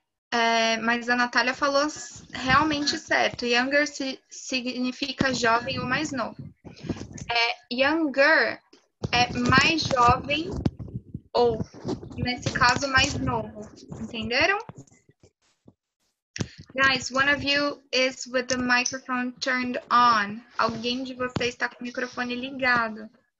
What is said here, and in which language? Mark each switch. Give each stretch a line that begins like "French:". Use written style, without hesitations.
Portuguese: É, mas a Natália falou realmente certo. Younger significa jovem ou mais novo. É, younger é mais jovem ou, nesse caso, mais novo. Entenderam?
English: Guys, one of you is with the microphone turned on.
Portuguese: Alguém de vocês está com o microfone ligado.